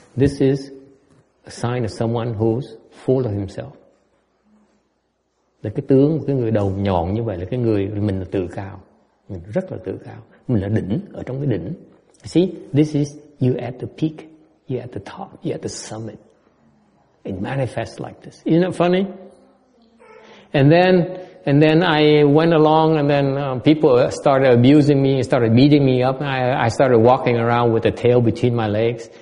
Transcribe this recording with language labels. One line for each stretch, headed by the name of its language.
English: This is a sign of someone who's full of himself.
Vietnamese: Là cái tướng, cái người đầu nhọn như vậy là cái người mình là tự cao. Mình rất là tự cao. Mình là đỉnh, ở trong cái đỉnh.
English: See, this is you at the peak, you at the top, you at the summit. It manifests like this. Isn't that funny? And then I went along, and then people started abusing me, started beating me up. I started walking around with a tail between my legs.